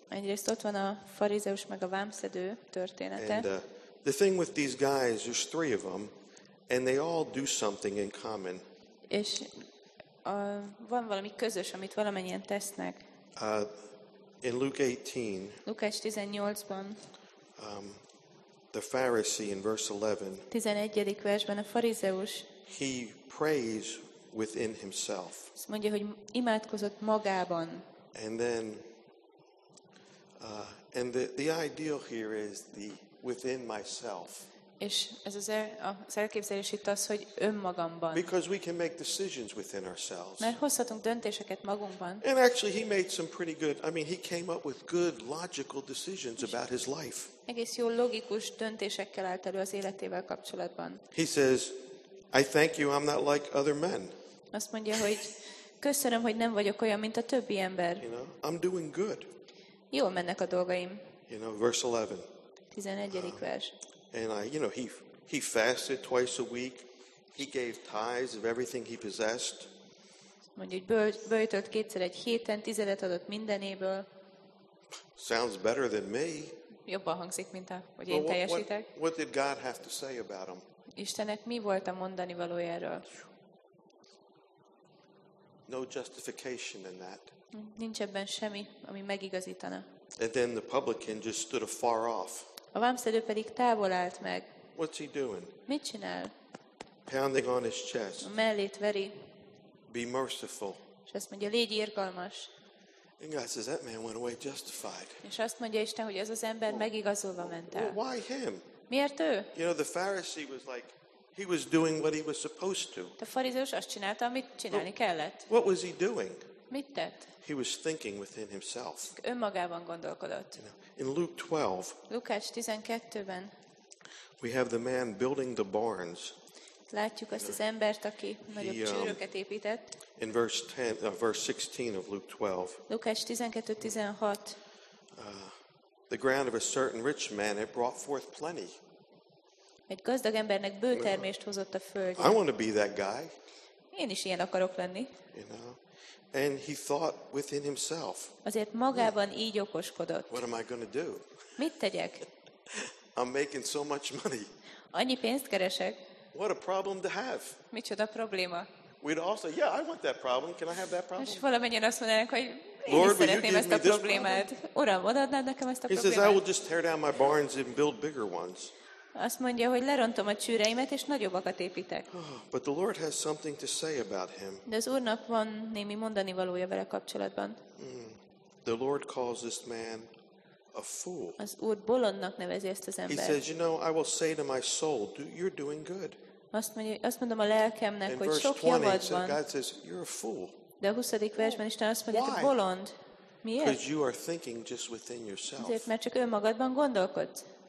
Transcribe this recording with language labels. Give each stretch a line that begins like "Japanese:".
Hungarian: Egyrészt ott van a farizeus meg a vámszedő története.
English: And the thing with these guys, there's three of them, and they all do something in common.
Hungarian: És van valami közös, amit valamennyien tesznek.
English: In Luke 18.
Hungarian: Lukács 18-ban.
English: The Pharisee in verse 11.
Hungarian: 11. versben a farizeus.
English: He prays within himself.
Hungarian: Azt mondja, hogy imádkozott magában.
English: And then and the ideal here is the within myself.
Hungarian: És ez az elképzelés itt az, hogy önmagamban.
English: Because we can make decisions within ourselves.
Hungarian: Mert hozhatunk döntéseket magunkban.
English: And actually he made some pretty good, I mean he came up with good logical decisions about his life.
Hungarian: Egész jó logikus döntésekkel állt elő az életével kapcsolatban.
English: He says, I thank you, I'm not like other men.
Hungarian: Azt mondja, hogy köszönöm, hogy nem vagyok olyan, mint a többi ember.
English: You know, I'm doing good.
Hungarian: Jól mennek a dolgaim.
English: You know, verse 11.
Hungarian: 11. vers.
English: And I, you know, he fasted twice a week. He gave tithes of everything he possessed.
Hungarian: Mondja, hogy böjtölt kétszer egy héten, tizedet adott mindenéből.
English: Sounds better than me.
Hungarian: Jobban hangzik, mint a, hogy én teljesítek.
English: What did God have to say about him?
Hungarian: Istennek mi volt a mondani valójáról?
English: No justification in that.
Hungarian: Nincs ebben semmi, ami megigazítana.
English: And then the publican just stood afar off.
Hungarian: A vámszedő pedig távol állt meg.
English: What's he doing?
Hungarian: Mit csinál?
English: Pounding on his chest.
Hungarian: A mellét veri.
English: Be merciful.
Hungarian: És azt mondja, légy irgalmas.
English: And God says that man went away justified.
Hungarian: És azt mondja Isten, hogy ez az ember megigazolva ment el.
English: Why him?
Hungarian: Miért ő?
English: You know, the Pharisee was like, he was doing what he was supposed to.
Hungarian: A farizeus azt csinálta, amit csinálni kellett.
English: What was he doing?
Hungarian: Mit tett?
English: He was thinking within himself.
Hungarian: Önmagában gondolkodott.
English: In Luke 12.
Hungarian: Lukács 12-ben.
English: We have the man building the barns.
Hungarian: Látjuk azt az embert, aki nagyobb csőröket épített.
English: In verse 10, verse 16 of Luke 12.
Hungarian: Lukács 12:16.
English: The ground of a certain rich man had brought forth plenty.
Hungarian: Egy gazdag embernek bőtermést hozott a földje.
English: I want to be that guy.
Hungarian: Én is ilyen akarok lenni.
English: You know? And he thought within himself.
Hungarian: Azért magában így okoskodott.
English: What am I going to do?
Hungarian: Mit tegyek?
English: I'm making so much money.
Hungarian: Annyi pénzt keresek.
English: What a problem to have.
Hungarian: Micsoda probléma.
English: We'd also, yeah, I want that problem. Can I have that problem?
Hungarian: És valamennyien azt mondanak, hogy én is szeretném ezt a problémát. Uram, odaadnád nekem ezt a problémát?
English: He says, I will just tear down my barns and build bigger ones.
Hungarian: Azt mondja, hogy lerontom a csűreimet és nagyobbakat építek.
English: But the Lord has something to say about him.
Hungarian: De az Úrnak van némi mondani valója vele kapcsolatban.
English: The Lord calls this man a fool.
Hungarian: Az Úr bolondnak nevezi ezt az embert.
English: He says, you know, I will say to my soul, you're doing good.
Hungarian: Azt mondom a lelkemnek, hogy sok javad van.
English: God says, you're a fool.
Hungarian: De a 20. versben Isten azt mondja, hogy bolond. Miért?
English: Because you are thinking just within yourself.
Hungarian: Azért, mert csak önmagadban gondolkodsz.